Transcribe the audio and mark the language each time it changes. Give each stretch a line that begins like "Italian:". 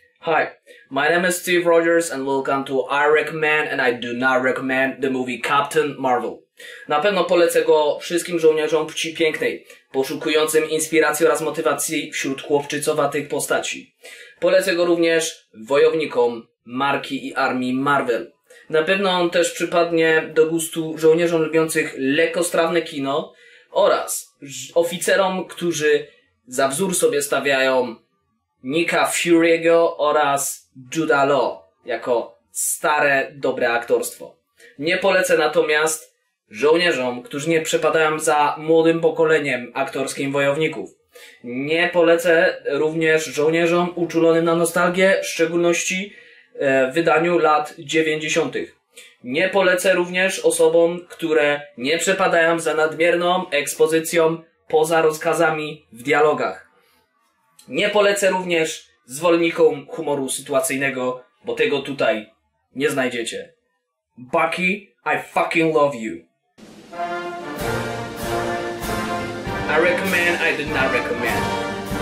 English: Hi, my name is Steve Rogers and welcome to I recommend and I do not recommend the movie Captain Marvel.
Polish: Na pewno polecę go wszystkim żołnierzom Płci Pięknej, poszukującym inspiracji oraz motywacji wśród chłopczycowatych postaci. Polecę go również wojownikom marki i armii Marvel. Na pewno on też przypadnie do gustu żołnierzom lubiących lekkostrawne kino oraz oficerom, którzy za wzór sobie stawiają Nicka Fury'ego oraz Jude Law jako stare, dobre aktorstwo. Nie polecę natomiast żołnierzom, którzy nie przepadają za młodym pokoleniem aktorskim wojowników. Nie polecę również żołnierzom uczulonym na nostalgię, w szczególności w wydaniu lat 90. Nie polecę również osobom, które nie przepadają za nadmierną ekspozycją poza rozkazami w dialogach. Nie polecę również zwolennikom humoru sytuacyjnego, bo tego tutaj nie znajdziecie.
English: Bucky, I fucking love you. I recommend, I do not recommend.